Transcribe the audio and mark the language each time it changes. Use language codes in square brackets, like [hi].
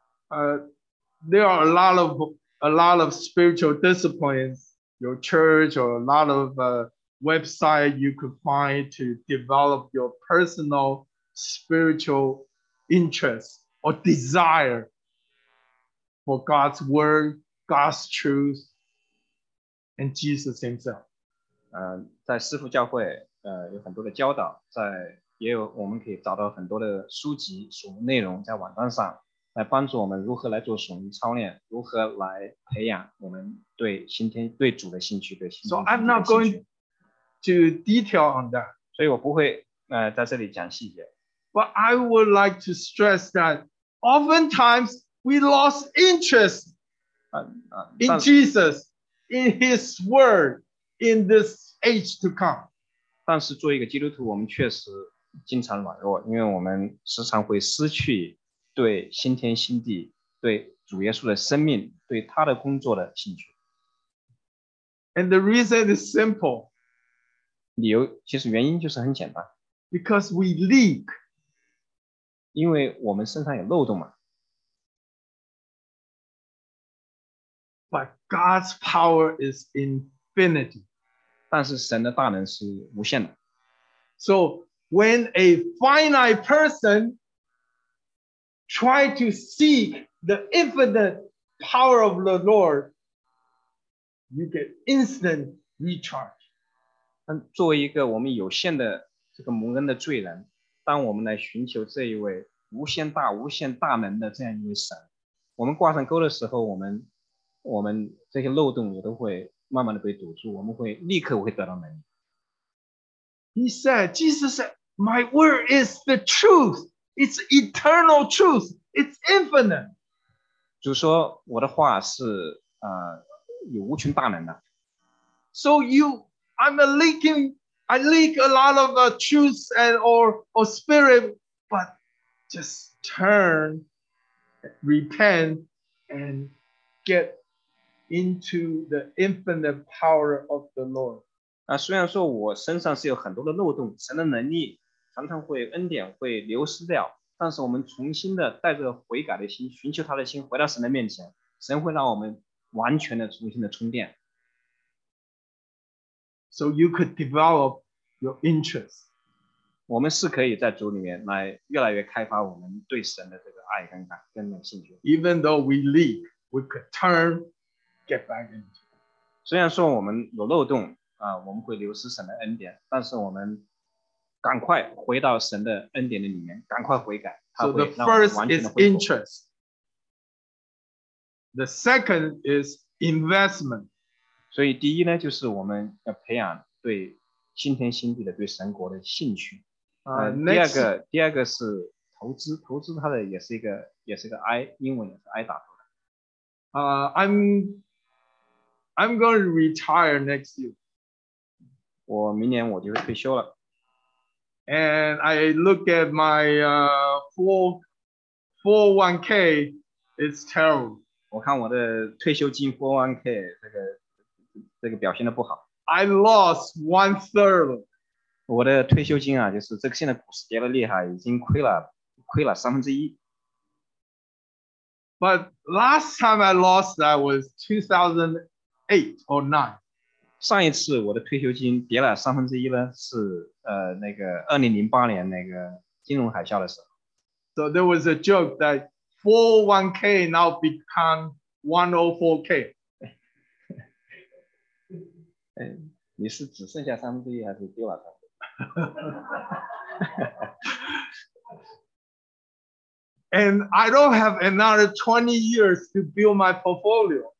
[en] There are a lot of spiritual disciplines, your church or a lot of website you could find to develop your personal spiritual interest or desire. For God's word, God's truth, and Jesus Himself. [zh] 在师父教会，有很多的教导，我们可以找到很多的书籍、属灵内容在网站上，来帮助我们如何来做属灵操练，如何来培养我们对新天、对主的兴趣、对新天的兴趣。 [en] So I'm not going to detail on that. [zh] 所以我不会在这里讲细节。 [en] But I would like to stress that oftentimes. We lost interest in Jesus, in His Word, in this age to come. [zh] 但是作为一个基督徒，我们确实经常软弱，因为我们时常会失去对新天新地、对主耶稣的生命、对他的工作的兴趣。 [en] And the reason is simple. [zh] 理由其实原因就是很简单。 [en] Because we leak. [zh] 因为我们身上有漏洞嘛。 [en] But God's power is infinity. [zh] 但是神的大能是无限的。 [en] So when a finite person try to seek the infinite power of the Lord, you get instant recharge. [zh] 作为一个我们有限的这个蒙恩的罪人，当我们来寻求这一位无限大无限大能的这样一位神，我们挂上钩的时候，我们这些漏洞也都会慢慢的被堵住，我们会立刻会得到能力。 [en] He said, Jesus said, my word is the truth. It's eternal truth. It's infinite. [zh] 主说我的话是有无穷大能的。 [en] So you, I leak a lot of truth and or spirit, but just turn, repent, and get into the infinite power of the Lord. [zh] 啊，虽然说我身上是有很多的漏洞，神的能力常常会恩典会流失掉，但是我们重新的带着悔改的心，寻求他的心，回到神的面前，神会让我们完全的重新的充电。 [en] So you could develop your interest. [zh] 我们是可以在主里面来越来越开发我们对神的这个爱跟感跟那兴趣。 [en] Even though we leak, we could turn, get back into. [zh] 虽然说我们有漏洞啊，我们会流失神的恩典，但是我们赶快回到神的恩典的里面，赶快悔改，他会让我们完全的恢复。 [en] So the first is interest. The second is investment. [zh] 所以第一呢，就是我们要培养对新天新地的对神国的兴趣。第二个是投资，投资它的也是一个 I， 英文也是 I 打头的。 [en] I'm going to retire next year. [zh] 我明年我就会退休了。 [en] And I look at my full 401k, it's terrible. [zh] 我看我的退休金 401k 这个。这个表现得不好。 [en] I lost one third. [zh] 我的退休金啊，就是这个现在股市跌得厉害，已经亏了三分之一。 [en] But last time I lost that was 2008 or 2009. [zh] 上一次我的退休金跌了三分之一呢，是那个2008年那个金融海啸的时候。 [en] So there was a joke that 401k now become 104k. [zh] 你是只剩下三分之一还是丢了三分之一？ [en] And I don't have another 20 years to build my portfolio.